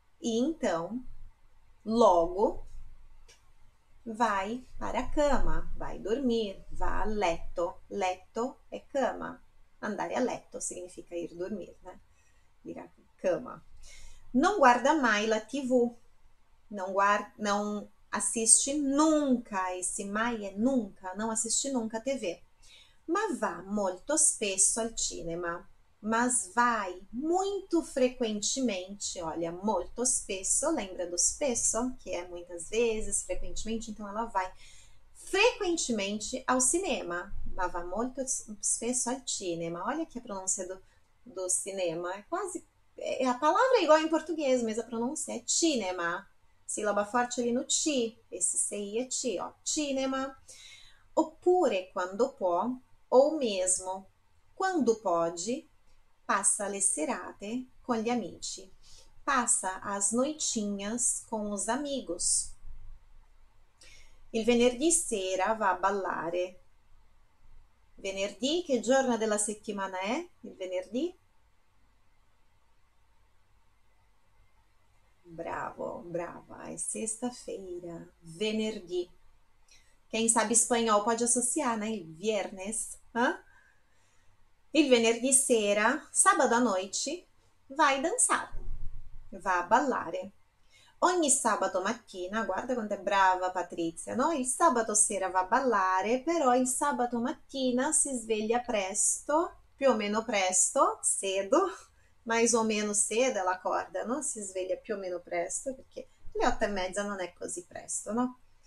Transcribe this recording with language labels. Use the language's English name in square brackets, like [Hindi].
[Portuguese] E então, logo, vai para a cama, vai dormir, [Italian] va a letto. [Portuguese] Letto è cama. [Italian] Andare a letto [Portuguese] significa ir dormir, né? Ir a cama. Não [Italian] guarda mai la TV. [Portuguese] Não assiste nunca, esse [Italian] mai [Portuguese] é nunca, não assiste nunca TV. [Italian] Ma va molto spesso al cinema. [Portuguese] Mas vai muito frequentemente, olha, [Italian] molto spesso, [Portuguese] lembra do spesso, que é muitas vezes, frequentemente, então ela vai frequentemente ao cinema. [Italian] Ma va molto spesso al cinema. [Portuguese] Olha que a pronúncia do cinema é quase. A palavra é igual em português, mas a pronúncia é cinema. Sílaba forte ali no ti. Esse CI é ti, ó. Cinema. [Italian] Oppure, quando può, [Portuguese] ou mesmo, quando pode, [Italian] passa le serate com gli amici. [Portuguese] Passa as noitinhas com os amigos. [Italian] Il venerdì sera va a ballare. Venerdì, che giorno della settimana è? Il venerdì? Bravo, brava, è sesta-feira, venerdì. [Portuguese] Quem sabe espanhol pode associar, né? [Italian] Il viernes, hein? Il venerdì sera, sabato [Portuguese] a noite, vai [Italian] danzare, va a ballare. Ogni sabato mattina, guarda quanto è brava Patrizia, no? Il sabato sera va a ballare, però il sabato mattina si sveglia presto, più o meno presto, cedo. [Portuguese] Mais ou menos cedo ela acorda, não? [Italian] Se esveglia più o meno presto, perché le 8:30 non è così presto, no?